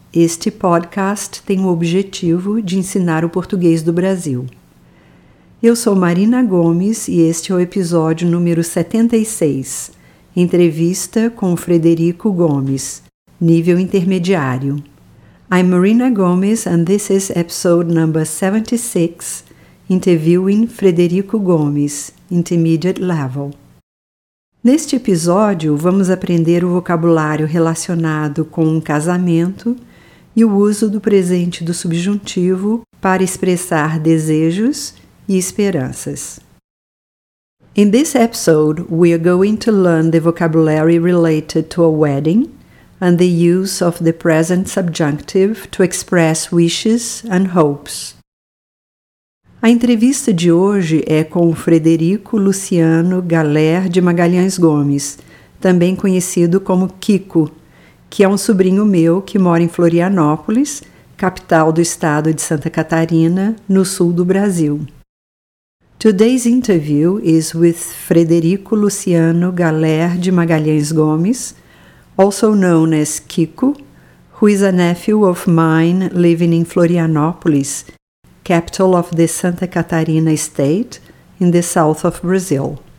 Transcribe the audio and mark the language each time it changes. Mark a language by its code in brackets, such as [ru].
[pt] Este podcast tem o objetivo de ensinar o português do Brasil. Eu sou Marina Gomes e este é o episódio número 76, entrevista com Frederico Gomes, nível intermediário. [en] I'm Marina Gomes and this is episode number 76, interviewing Frederico Gomes, intermediate level. [pt] Neste episódio, vamos aprender o vocabulário relacionado com um casamento e o uso do presente do subjuntivo para expressar desejos e esperanças. [en] In this episode, we are going to learn the vocabulary related to a wedding and the use of the present subjunctive to express wishes and hopes. [pt] A entrevista de hoje é com o Frederico Luciano Galer de Magalhães Gomes, também conhecido como Kiko, que é um sobrinho meu que mora em Florianópolis, capital do estado de Santa Catarina, no sul do Brasil. [en] Today's interview is with Frederico Luciano Galer de Magalhães Gomes, also known as Kiko, who is a nephew of mine living in Florianópolis, capital of the Santa Catarina state in the south of Brazil.